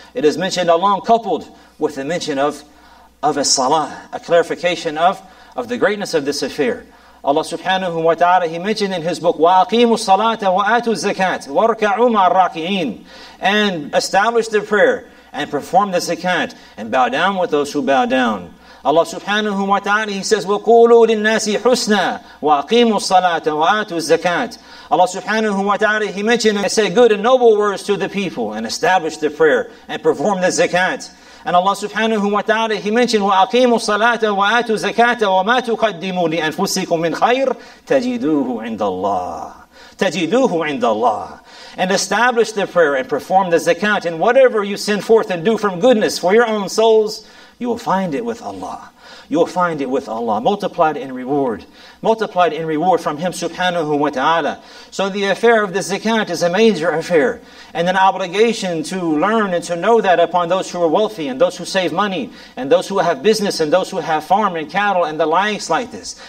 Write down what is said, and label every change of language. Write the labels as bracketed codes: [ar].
[en] It is mentioned along coupled with the mention of a salah, a clarification of the greatness of this affair. Allah subhanahu wa ta'ala, He mentioned in His book, [ar] وَأَقِيمُوا الصَّلَاةَ وَآتُوا الزَّكَاةَ وَارْكَعُوا مَعَ الرَّاكِعِينَ. [en] And establish the prayer and perform the zakat and bow down with those who bow down. Allah subhanahu wa ta'ala, He says, [ar] وَقُولُوا لِلنَّاسِ حُسْنًا وَأَقِيمُوا الصَّلَاةَ وَآتُوا الزَّكَاةَ. [en] Allah subhanahu wa ta'ala, He mentioned and said good and noble words to the people, and establish the prayer and perform the zakat. And Allah subhanahu wa ta'ala, He mentioned, [ar] وَأَقِيمُوا الصَّلَاةَ وَآتُوا الزَّكَاةَ وَمَا تُقَدِّمُوا لِأَنفُسِكُمْ مِنْ خَيْرٍ تَجِدُوهُ عِنْدَ اللَّهِ. تَجِدُوهُ عِنْدَ اللَّهِ. [en] And establish the prayer and perform the zakat, and whatever you send forth and do from goodness for your own souls, you will find it with Allah. You'll find it with Allah, multiplied in reward. Multiplied in reward from Him subhanahu wa ta'ala. So the affair of the zakat is a major affair. And an obligation to learn and to know that upon those who are wealthy and those who save money and those who have business and those who have farm and cattle and the likes like this.